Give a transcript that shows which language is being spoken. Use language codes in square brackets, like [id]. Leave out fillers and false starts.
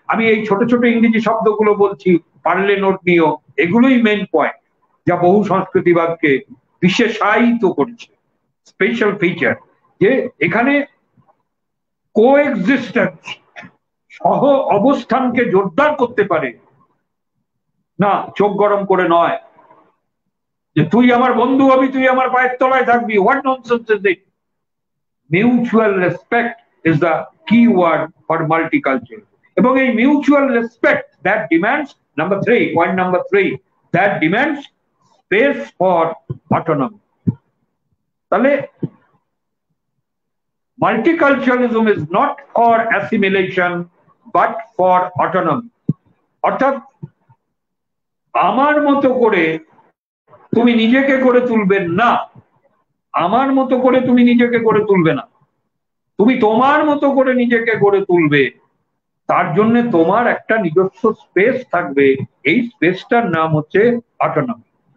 [bn] আমি এই ছোট ছোট ইংরেজি শব্দগুলো বলছি, পারলে নোট নিও, এগুলোই মেন পয়েন্ট যা বহু সংস্কৃতিবাদকে বিশেষায়িত করছে, স্পেশাল ফিচার যে এখানে কোএক্সিস্টেন্স সহ অবস্থানকে জোরদার করতে পারে না, চোখ গরম করে নয় যে তুই আমার বন্ধু হবি তুই আমার পায়ের তলায় থাকবি, [en] What nonsense is it. Mutual respect is the key word for multicultural. [bn] Ebong ei [en] mutual respect that demands, number 3, point number 3, that demands space for autonomy. Tale multiculturalism is not for assimilation but for autonomy, [bn] অর্থাৎ আমার মতো করে তুমি নিজেকে করে তুলবে না, আমার মতো করে তুমি নিজেকে করে তুলবে না, তুমি তোমার মতো করে নিজেকে গড়ে তুলবে, তার জন্য তোমার একটা নিজস্ব স্পেস থাকবে, এই স্পেসটার নাম হচ্ছে অটোনমি।